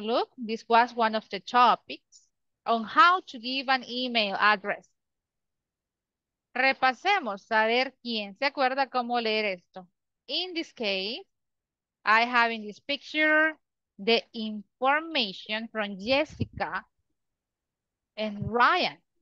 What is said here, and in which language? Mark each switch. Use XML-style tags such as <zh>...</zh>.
<en>Look, this was one of the topics on how to give an email address.</en> <es>Repasemos a ver quién se acuerda cómo leer esto.</es> <en>In this case, I have in this picture the information from Jessica and Ryan.</en>